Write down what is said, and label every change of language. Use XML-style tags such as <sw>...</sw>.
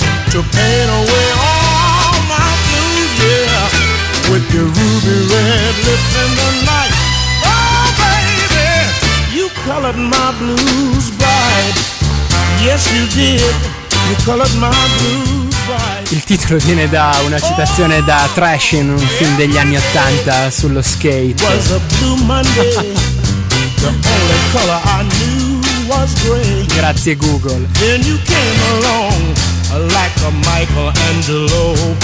<en>To paint away all my blues, yeah, with your ruby red lips in the night. Oh baby, you colored my blues bright. Yes you did, you colored my blues.</en> <it>Il titolo viene da una citazione da Trash in un film degli anni 80 sullo skate.</it> <en>Was a blue Monday. The only color I knew was gray.</en> <it>Grazie Google.</it> <en>Then you came along like a Michelangelo.</en>